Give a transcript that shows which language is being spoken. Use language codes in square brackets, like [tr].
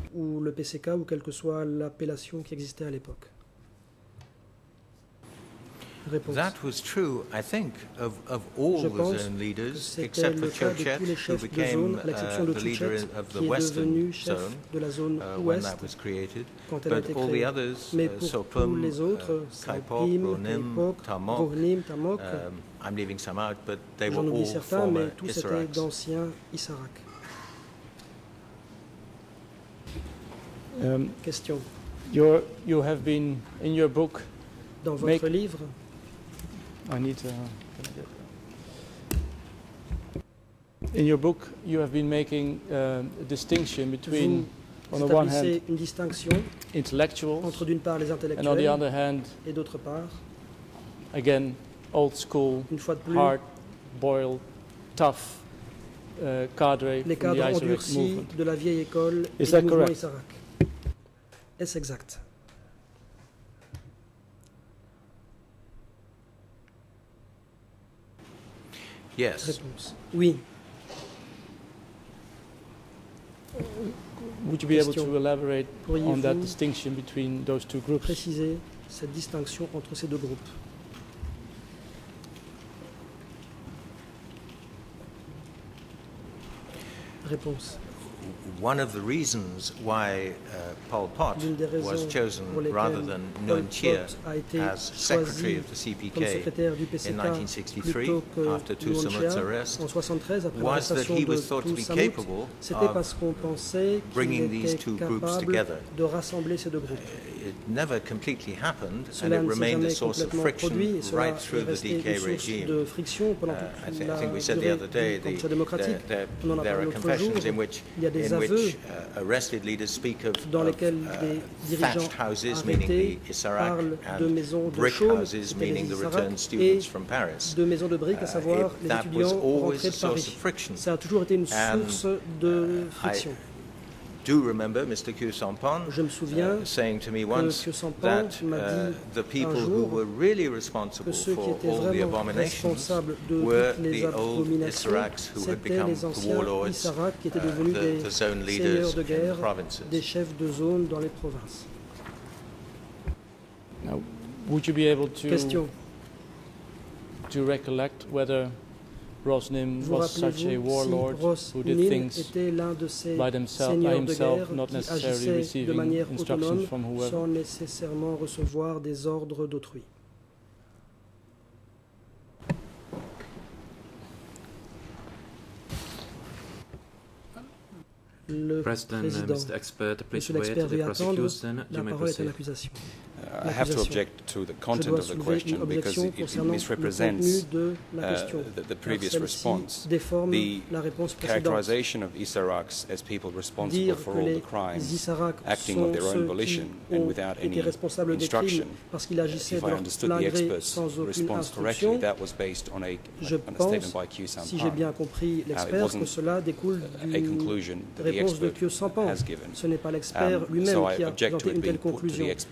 [fr] ou le PCK, ou quelle que soit l'appellation qui existait à l'époque. réponse. [en] That was true, I think, of all the zone leaders, except for Chouchet, who became the leader of the western zone, [fr] de la zone [en] when that was created. But all the others, Sopum, Kaipok, Rounim, Tamok, I'm leaving some out, but they were all certains, former [fr] tous Issaraks. D'anciens Issaraks. Question. [en] You have been in your book. [fr] Dans votre livre. [en] I need to. In your book, you have been making a distinction between, on the one hand, [fr] une distinction [en] intellectuals, [fr] entre d'une part les intellectuels, [en] and on the other hand, [fr] et d'autre part, [en] again, old school, [fr] une fois de plus, [en] hard, boiled, tough cadre, [fr] les cadres endurcis de la vieille école et du mouvement Issaraks. Est-ce exact? [en] Yes. [fr] Réponse. Oui. [en] Would you be able to elaborate on that distinction between those two groups? [fr] Préciser cette distinction entre ces deux groupes. Réponse. [en] One of the reasons why Pol Pot was chosen rather than Nguyen Chia as secretary of the CPK in 1963 after Thu Samut's arrest was that he was thought to be capable of bringing these two groups together. It never completely happened, and it remained a source of friction right through the DK regime. I think we said the other day there are confessions in which arrested leaders speak of thatched houses, meaning the Issaraks, and brick houses, meaning the returned students from Paris. That was always a source of friction. [fr] Ça a toujours été une source de friction. [en] I do remember Mr. Khieu Samphan saying to me once that the people who were really responsible for all the abominations were the old Issaraks who had become the warlords, the zone leaders in the provinces. [fr] Des chefs de zone dans les provinces. [en] Now, would you be able to [fr] question. [en] To recollect whether Rosnim [fr] vous [en] was such a warlord [fr] si [en] who did things by himself, not necessarily receiving instructions from whoever. [fr] Sans nécessairement recevoir des ordres d'autrui. Le [en] President, [fr] président, [en] Mr. Expert, please wait for the prosecution. [fr] La parole est à l'accusation. [en] I have to object to the content of the question because it misrepresents the previous response. The characterization of Issaraks as people responsible for all the crimes, acting of their own volition and without any instruction, if I understood the expert's response correctly, that was based on a statement by Khieu Samphan. It wasn't a conclusion that the expert has given. [fr] Ce n'est pas l'expert lui-même qui a présenté une telle conclusion.